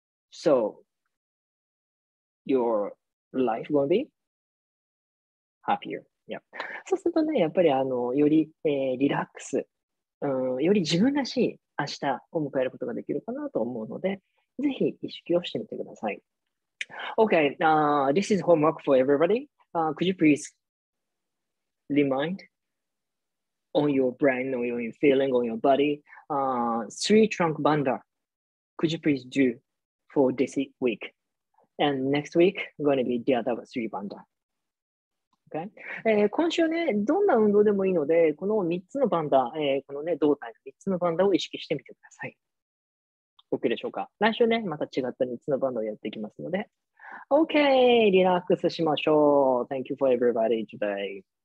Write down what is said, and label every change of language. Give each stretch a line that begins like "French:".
English: So your life will be happier. Yeah.
Japanese: そうするとね、やっぱりより、リラックス、より自分らしい明日を迎えることができるかなと思うので、ぜひ意識をしてみてください。
English: Okay, this is homework for everybody. Could you please remind on your brain, on your feeling, on your body, three trunk banda. Could you please do for this week? And next week, going to be the other three banda. Okay.
Japanese: 今週ね、どんな運動でもいいので、この3つのバンダ、このね、胴体の3つのバンダを意識してみてください。OK でしょうか。来週ね、また違った3つのバンダをやっていきますので。
English: OK!
Japanese: リラックスしましょう。
English: Thank you for everybody today.